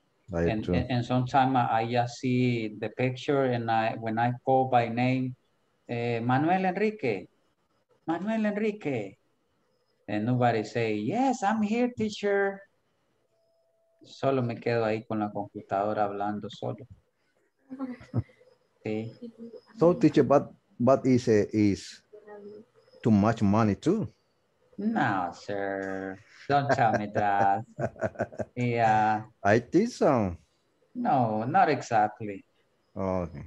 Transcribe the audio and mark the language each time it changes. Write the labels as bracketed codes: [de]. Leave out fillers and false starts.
[en] And sometimes I just see the picture, and when I call by name, Manuel Enrique, and nobody say, yes, I'm here, teacher. [es] Solo me quedo ahí con la computadora hablando solo. Sí. [en] So, teacher, but is too much money too? No, sir. Don't tell me that. Yeah. I think so. No, not exactly. Okay.